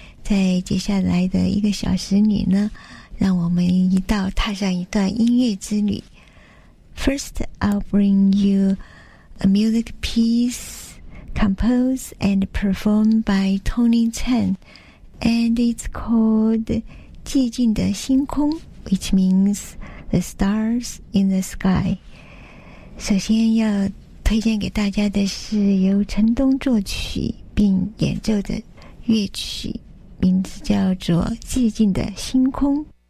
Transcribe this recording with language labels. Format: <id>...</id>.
<zh>在接下来的一个小时里呢，让我们一道踏上一段音乐之旅。</zh> <en>First, I'll bring you a music piece composed and performed by Tony Chen, and it's called 寂静的星空 which means The Stars in the Sky.</en> <zh>首先要推荐给大家的是由陈东作曲并演奏的乐曲，名字叫做《寂静的星空》。</zh>